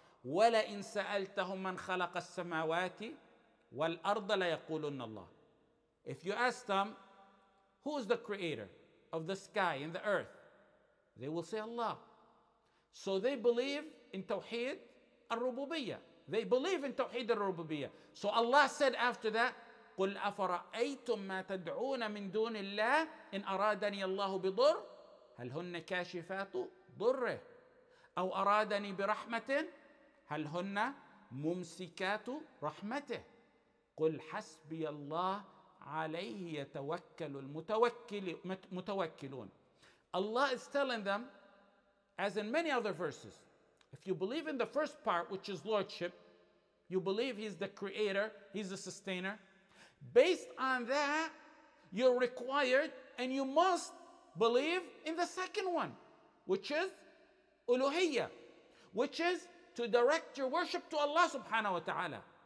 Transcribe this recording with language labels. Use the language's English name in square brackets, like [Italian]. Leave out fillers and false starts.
[Arabic] وَلَئِن سَأَلْتَهُمْ مَنْ خَلَقَ السَّمَاوَاتِ وَالْأَرْضَ لَيَقُولُنَّ اللَّهِ. [English] If you ask them, who is the creator of the sky and the earth? They will say Allah. So they believe in Tawheed al-Rububiyyah. They believe in Tawheed al-Rububiyyah. So Allah said after that, [Arabic] قُلْ أَفَرَأَيْتُمْ مَا تَدْعُونَ مِنْ دُونِ اللَّهِ إِنْ أَرَادَنِيَ اللَّهُ بِضُرْ هَلْ هُنَّ كَاشِفَاتُ ضُرِّهِ أَوْ أَرَادَنِي بِرَحْمَةٍ هَلْ هُنَّ مُمْسِكَاتُ رَحْمَتِهِ قُلْ حَسْبِيَ اللَّهِ عَلَيْهِ يَتَوَكَّلُ الْمُتَوَكِّلُونَ. [English] Allah is telling them, as in many other verses, if you believe in the first part, which is Lordship, you believe He's the Creator, He's the Sustainer, based on that, you're required and you must believe in the second one, which is Uluhiyyah, which is to direct your worship to Allah [Arabic] subhanahu wa ta'ala.